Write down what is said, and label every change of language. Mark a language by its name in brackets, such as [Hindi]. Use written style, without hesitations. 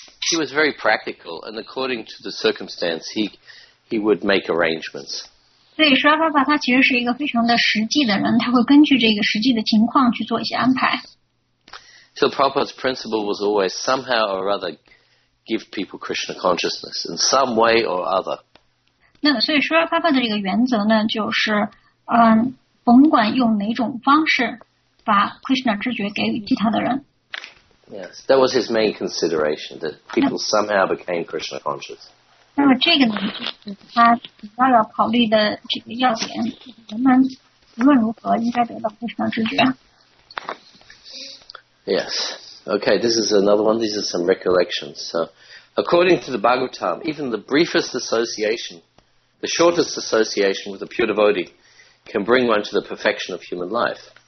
[English] He was very practical, and according to the circumstance, he would make arrangements. [Chinese] 对，沙巴巴他其实是一个非常的实际的人，他会根据这个实际的情况去做一些安排。 [English] So Prabhupada's principle was always somehow or other give people Krishna consciousness in some way or other. [Chinese] 那所以沙巴巴的这个原则呢，就是甭管用哪种方式，把 Krishna 知觉给予其他的人。 [English] Yes, that was his main consideration, that people somehow became Krishna conscious. [Chinese] 那么这个呢，就是他主要要考虑的这个要点，人们无论如何应该得到 Krishna 知觉。 [English] Yes, okay, this is another one, these are some recollections. So, according to the Bhagavatam, even the briefest association, the shortest association with a pure devotee, can bring one to the perfection of human life.